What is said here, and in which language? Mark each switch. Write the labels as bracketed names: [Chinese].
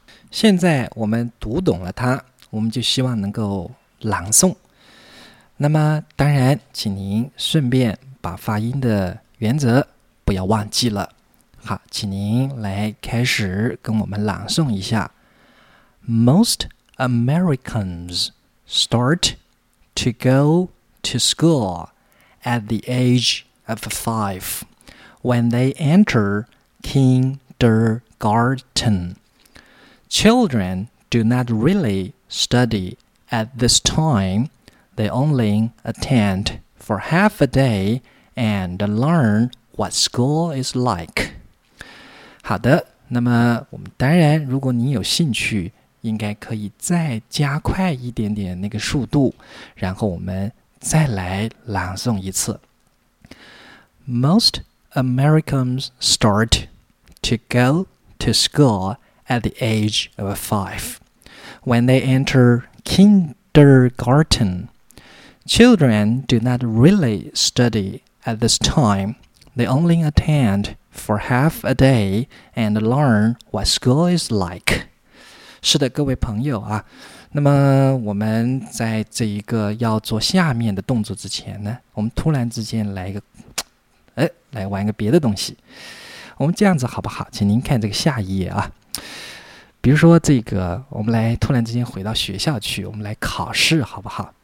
[Chinese] 现在我们读懂了它，我们就希望能够朗诵。那么当然请您顺便把发音的原则不要忘记了。好，请您来开始跟我们朗诵一下。 [English] Most Americans start to go to school at the age of 5 when they enter kindergarten. Children do not really study at this time. They only attend for half a day and learn what school is like. [Chinese] 好的，那么我们当然，如果你有兴趣，应该可以再加快一点点那个速度，然后我们再来朗诵一次。 [English] Most Americans start to go to schoolAt the age of 5, when they enter kindergarten, children do not really study at this time. They only attend for half a day and learn what school is like. [Chinese] 是的，各位朋友啊，那么我们在这一个要做下面的动作之前呢，我们突然之间来一个，来玩个别的东西。我们这样子好不好？请您看这个下一页啊。比如说这个，我们来突然之间回到学校去，我们来考试好不好？